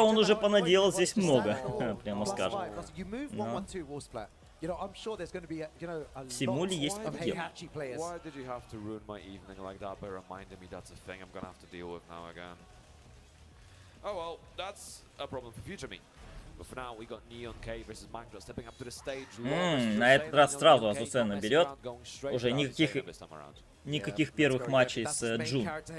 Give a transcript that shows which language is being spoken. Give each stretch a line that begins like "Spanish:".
Russian: он уже понаделал здесь много, прямо скажем.
English: You move 1-1-2 wall splat. You know, I'm sure there's going to be, you know, a lot of Heihachi players. Why did you have to ruin my evening like that by reminding me that's a thing I'm going to have to deal with now again? Oh well, that's a problem for future me. But for now, we got Neon K versus Mangdra stepping up to the stage.
Russian: На этот раз сразу Азусена берет. Уже никаких первых матчей с Джун.